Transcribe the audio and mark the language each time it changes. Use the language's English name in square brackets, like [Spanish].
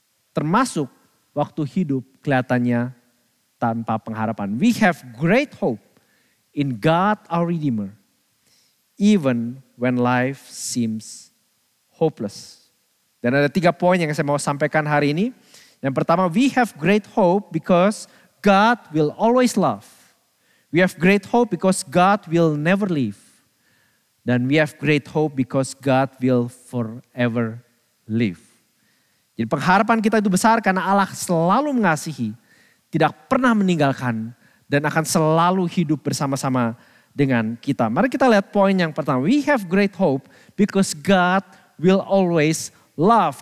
[Indonesian] Termasuk waktu hidup kelihatannya tanpa pengharapan. [English] We have great hope in God our Redeemer, even when life seems hopeless. [Indonesian] Dan ada tiga poin yang saya mau sampaikan hari ini. Yang pertama, [English] we have great hope because God will always love. We have great hope because God will never leave. Dan we have great hope because God will forever live. [Indonesian] Jadi pengharapan kita itu besar karena Allah selalu mengasihi, tidak pernah meninggalkan, dan akan selalu hidup bersama-sama dengan kita. Mari kita lihat poin yang pertama. [English] We have great hope because God will always love.